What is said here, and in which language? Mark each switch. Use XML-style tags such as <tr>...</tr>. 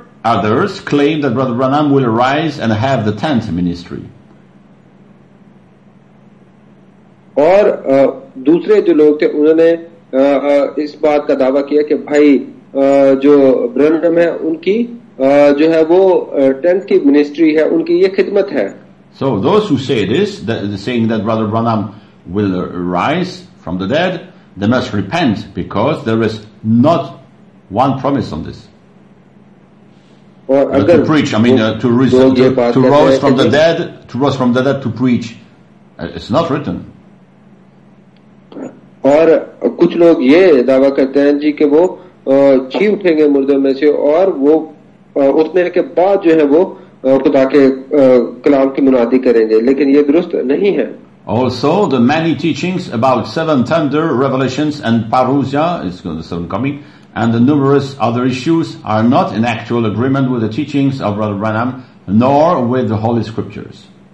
<en>Others claim that Brother Branham will arise and have the 10th ministry.</en> <hi>और दूसरे जो लोग थे उन्होंने इस बात का दावा किया कि भाई जो ब्रनम है उनकी जो है वो टेंथ की मिनिस्ट्री है उनकी ये खिदमत है.</hi> <en>So those who say this, saying that Brother Branham will rise from the dead, they must repent because there is not one promise on this. To preach, I mean, to rise from the dead to preach, it's not written.</en> <hi>और कुछ लोग ये दावा करते हैं जी कि वो जी उठेंगे मुर्दों में से और वो उठने के बाद जो है वो खुदा के कलाम की मुनादी करेंगे, लेकिन ये दुरुस्त नहीं है.</hi> <en>Also, the many teachings about seven thunder revelations and parousia, it's going to soon coming, and the numerous other issues are not in actual agreement with the teachings of Brother Branham, nor with the Holy Scriptures.</en>